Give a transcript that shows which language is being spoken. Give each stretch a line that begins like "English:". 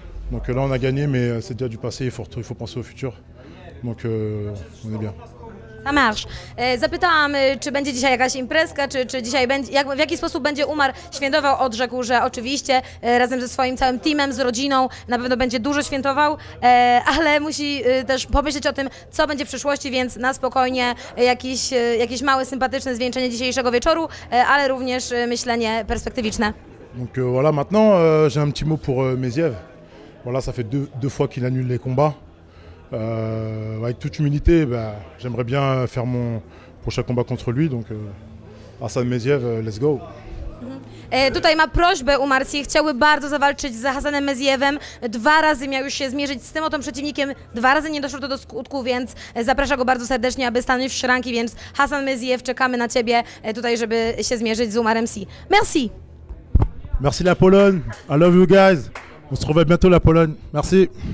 French: Donc là on a gagné mais c'est déjà du passé, il faut penser au futur, donc on est bien. Ça marche.
Polish: Zapytałam, czy będzie dzisiaj jakaś imprezka, czy dzisiaj będzie, jak, w jaki sposób będzie Umar świętował, odrzekł, że oczywiście razem ze swoim całym teamem, z rodziną, na pewno będzie dużo świętował, ale musi też pomyśleć o tym, co będzie w przyszłości, więc na spokojnie jakieś małe, sympatyczne zwieńczenie dzisiejszego wieczoru, ale również myślenie perspektywiczne.
French: Donc voilà, maintenant j'ai un petit mot pour Meziev. Voilà, ça fait deux fois qu'il annule les combats. Avec toute humilité, bah, j'aimerais bien faire mon prochain combat contre lui, donc Hassan Meziev,
English: let's go.
Polish: Tutaj ma prośbę u Marcy. Chciałby bardzo zawalczyć z Hassanem Meziewem. Dwa razy miał już się zmierzyć z tym oto przeciwnikiem. Dwa razy nie doszło to do skutku, więc zaprasza go bardzo serdecznie, aby stanąć w szranki, więc Hassan Meziev, czekamy na ciebie tutaj, żeby się zmierzyć z Umarem C.
French: Merci. Merci la Pologne.
English: I love you guys.
French: On se revoit bientôt la Pologne. Merci.